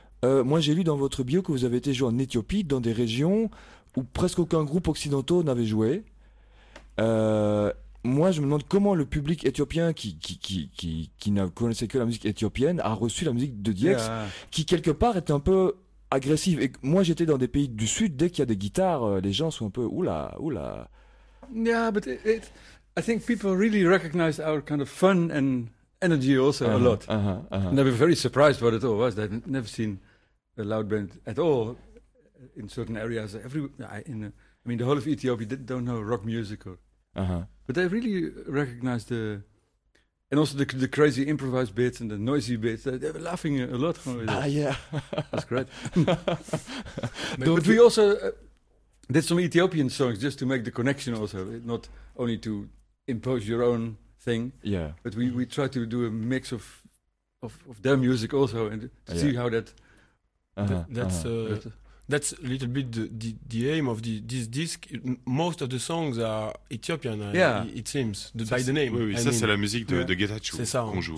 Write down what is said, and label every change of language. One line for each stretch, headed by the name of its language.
French: Moi, j'ai lu dans votre bio que vous avez été joué en Éthiopie, dans des régions où presque aucun groupe occidentaux n'avait joué. Moi, je me demande comment le public éthiopien qui ne connaissait que la musique éthiopienne a reçu la musique de Dieks, yeah, qui quelque part était un peu agressive. Et moi, j'étais dans des pays du sud, dès qu'il y a des guitares, les gens sont un peu oula.
English: Yeah, but I think people really recognize our kind of fun and energy also a lot. Uh-huh, uh-huh. And they were very surprised what it all was. They've never seen a loud band at all in certain areas. The whole of Ethiopia don't know rock music. But they really recognized the... And also the crazy improvised bits and the noisy bits. They were laughing a lot. That's great. But we also did some Ethiopian songs just to make the connection also, not only to impose your own thing, yeah, but we try to do a mix of their music also and to see how that that's a little bit the aim of this disc. Most of the songs are Ethiopian, it seems, by the name.
French: Oui, c'est la musique de Getachew qu'on joue